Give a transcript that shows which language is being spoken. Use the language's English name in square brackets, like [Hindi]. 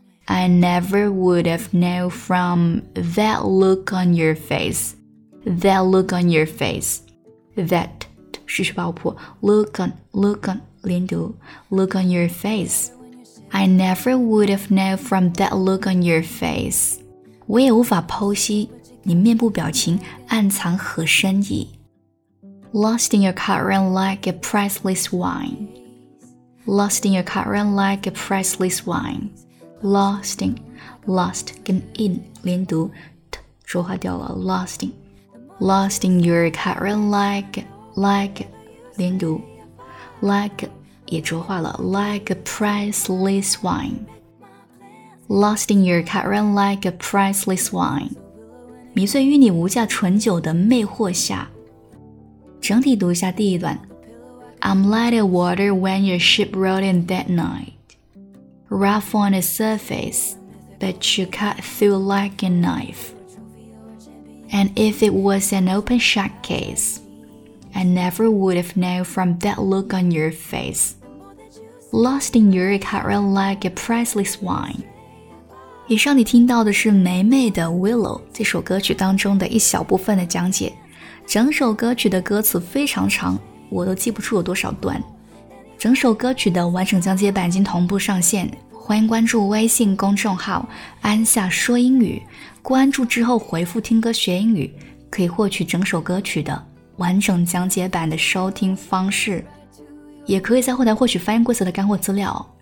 [English] I never would have known from that look on your face. That look on your face. That [Chinese] 失去爆破 [English] Look on [Chinese] 连读 [English] Look on your face. I never would have known from that look on your face. [Chinese] 我也无法剖析你面部表情暗藏何深意 [English] Lost in your current like a priceless wine. Lost in your current like a priceless wine. Lost [Chinese] 跟 in 连读 T 浊化掉了 Losting. [English] Lost in your current like [Chinese] 连读 [English] like [Chinese] 也浊化了 [English] like a priceless wine. Lost in your current like a priceless wine. [Chinese] 迷醉于你无价醇酒的魅惑下。整体读一下第一段。 [English] I'm like the water when your ship rolled in that night. Rough on the surface, but you cut through like a knife. And if it was an open shut case, I never would have known from that look on your face. lost in your carol like a priceless wine。 [Chinese] 以上你听到的是梅梅的 Willow 这首歌曲当中的一小部分的讲解，整首歌曲的歌词非常长，我都记不出有多少段。整首歌曲的完整讲解版已经同步上线，欢迎关注微信公众号安夏说英语，关注之后回复听歌学英语，可以获取整首歌曲的完整讲解版的收听方式，也可以在后台获取翻译规则的干货资料。